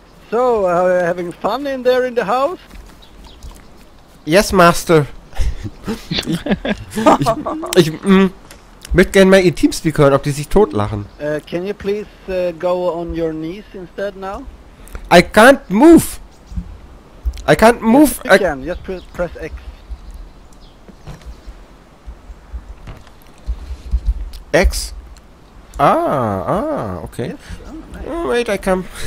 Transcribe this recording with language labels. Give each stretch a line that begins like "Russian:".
English: So, are you having fun in there in the house? Yes, Master.
German: Ich möchte gerne mal ihr TeamSpeak hören, ob die sich totlachen.
English: Can you please go on your knees instead now? I can't move! I can't move! Yes, you can. Just press X. X. Okay. Yes. Oh, wait, I come.